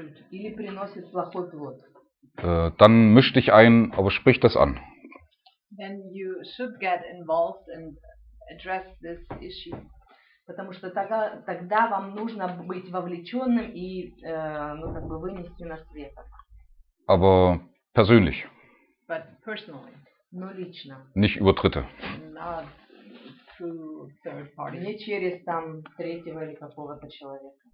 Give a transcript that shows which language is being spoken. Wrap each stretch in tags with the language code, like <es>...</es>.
<ru>Или приносит плохой плод.</ru> <de>Dann misch dich ein, aber sprich das an.</de> <en>Then you should get involved and address this issue.</en> <ru>Потому что тогда, тогда вам нужно быть вовлеченным и ну, как бы вынести на свет.</ru> <de>Aber persönlich.</de> <en>But personally.</en> <ru>Но лично.</ru> <de>Nicht über Dritte.</de> <en>Not through third party.</en> <ru>Не через там третьего или какого-то человека.</ru>